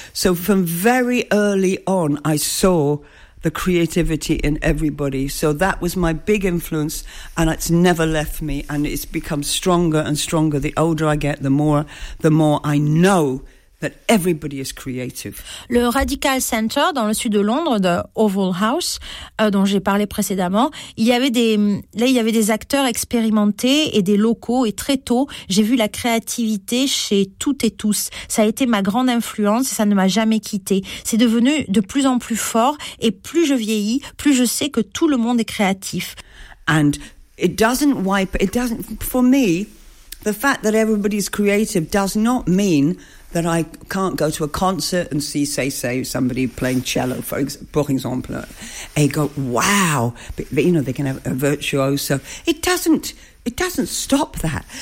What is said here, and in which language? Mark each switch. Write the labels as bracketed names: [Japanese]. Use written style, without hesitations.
[English] So from very early on, I saw the creativity in everybody. So that was my big influence, and it's never left me, and it's become stronger and stronger. The older I get, the more I know that everybody is creative. [French] Le Radical Center dans le sud de Londres, the Oval House, dont j'ai parlé précédemment, il y avait des acteurs expérimentés et des locaux, et très tôt, j'ai vu la créativité chez toutes et tous. Ça a été ma grande influence et ça ne m'a jamais quitté. C'est devenu de plus en plus fort et plus je vieillis, plus je sais que tout le monde est créatif. [English] And it doesn't, for me, the fact that everybody's creative does not mean that I can't go to a concert and see, say somebody playing cello, for example, and you go, wow. But you know, they can have a virtuoso. It doesn't stop that.